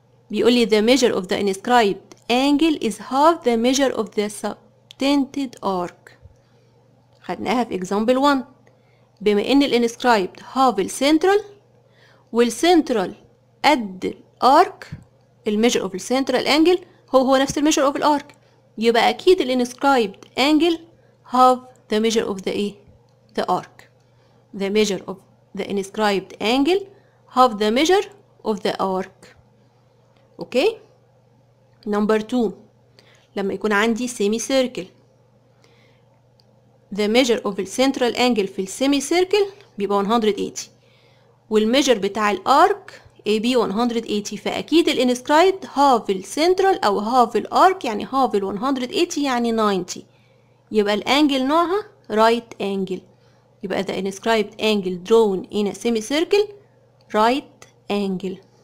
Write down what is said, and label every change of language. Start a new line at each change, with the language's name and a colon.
Arabic: بيقول لي
English: the measure of the inscribed angle is half the measure of the subtended arc
Arabic: خدناها في اكزامبل 1 بما ان الانسكرايبد هاف السنترال والسنترال قد الارك الميجر اوف السنترال انجل هو نفس الميجر اوف الارك يبقى اكيد الانسكرايبد انجل هاف ذا ميجر اوف ذا ايه ذا ارك ذا ميجر اوف
English: the inscribed angle half the measure of the arc. Okay.
Arabic: Number two, لما يكون عندي semicircle,
English: the measure of the central angle
Arabic: في semicircle بيبقى 180 والميجر بتاع الارك AB 180, فأكيد الانسكرايبد هاف السنترال أو هاف الارك يعني هاف ال 180 يعني 90, يبقى الانجل نوعها right angle, يبقى
English: the inscribed angle drawn in a semicircle right angle.